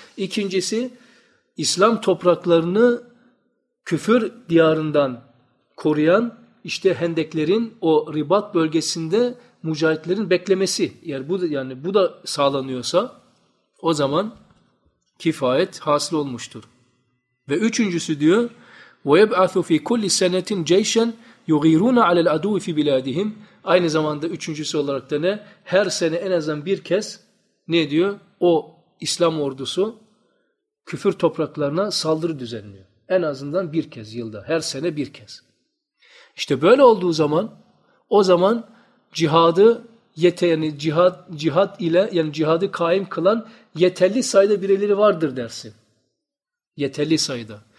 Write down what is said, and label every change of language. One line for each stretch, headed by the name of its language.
Turkish: İkincisi İslam topraklarını küfür diyarından koruyan işte hendeklerin o ribat bölgesinde mücahitlerin beklemesi. Eğer bu da, yani bu da sağlanıyorsa o zaman kifayet hasıl olmuştur. Ve üçüncüsü diyor
Arabic: وَيَبْعَثُ فِي كُلِّ سَنَةٍ جَيْشًا يُغِيرُونَ عَلَى الْعَدُوِ فِي بِلَادِهِمْ.
Turkish: Aynı zamanda üçüncüsü olarak da ne? Her sene en azından bir kez ne diyor? O İslam ordusu küfür topraklarına saldırı düzenliyor. En azından bir kez yılda, her sene bir kez. İşte böyle olduğu zaman, o zaman cihadı yani cihad ile yani cihadı kaim kılan yeterli sayıda bireyleri vardır dersin. Yeterli sayıda.